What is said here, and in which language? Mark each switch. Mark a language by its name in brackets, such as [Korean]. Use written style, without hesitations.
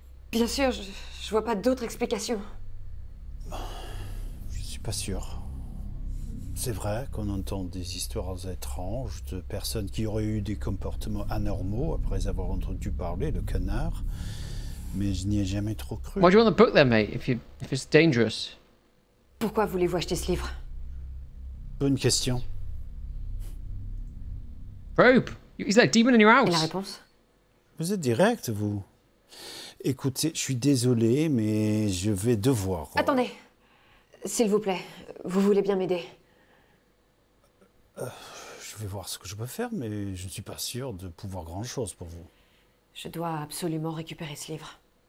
[French] Bien sûr, je vois pas d'autre explication. Je suis pas sûr. C'est vrai qu'on entend des histoires étranges de personnes qui auraient eu des comportements anormaux après avoir entendu parler de canard, mais je n'y ai jamais trop cru. [English] Why do you want the book then, mate, if it's dangerous? [French] Pourquoi voulez-vous acheter ce livre? Bonne question. [English] Rope, is that a demon in your house? [French] Et la réponse? Vous êtes direct, vous. Écoutez, je suis désolé, mais je vais devoir... Attendez. S'il vous plaît, vous voulez bien m'aider? Je vais voir ce que je peux faire, mais je ne suis pas sûr de pouvoir grand-chose pour vous. Je dois absolument récupérer ce livre.